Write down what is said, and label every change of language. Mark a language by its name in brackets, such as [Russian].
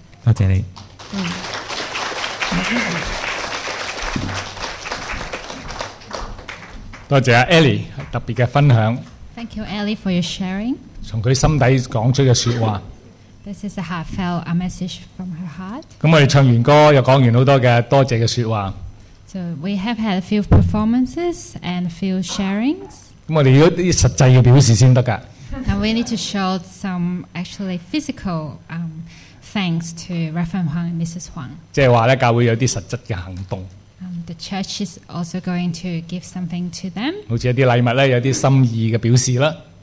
[Cantonese] 多谢你。多謝Ellie特別的分享。 [English] Thank you, Ellie, for your sharing. [Cantonese] 從她心底講出的說話。 [English] This is a heartfelt message from her heart. [Cantonese] 我們唱完歌又講完很多的多謝的說話。 [English] So we have had a few performances and a few sharings. [Cantonese] 我們要實際的表示先得的。 [English] And we need to show some actually physical thanks to Reverend Huang and Mrs. Huang. [Cantonese] 就是說教會有些實質的行動。 [English] The church is also going to give something to them. [Cantonese] 好似一啲禮物咧，有啲心意嘅表示啦。